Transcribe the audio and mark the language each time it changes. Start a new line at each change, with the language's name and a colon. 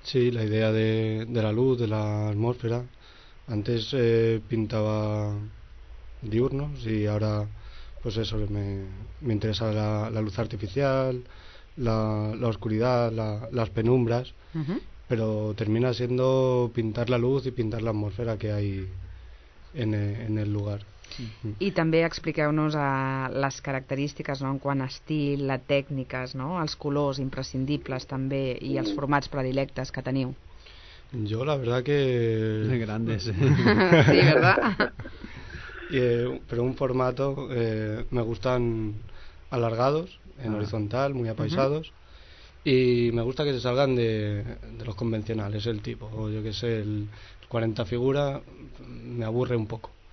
Spanish: Sí, la idea de la luz, de la atmósfera. Antes pintaba diurnos y ahora... pues eso, me interesa la luz artificial, la oscuridad, las penumbras, pero termina siendo pintar la luz y pintar la atmósfera que hay en el lugar.
Catalan: I també expliqueu-nos les característiques, no?, en quant a estil, les tècniques, no?, els colors imprescindibles també i els formats predilectes que teniu.
Spanish: Jo la verdad que... grandes. Sí, ¿verdad? Pero un formato, me gustan alargados, en horizontal, muy apaisados, y me gusta que se salgan de los convencionales, el tipo, o yo que sé, el 40 figura, me aburre un poco.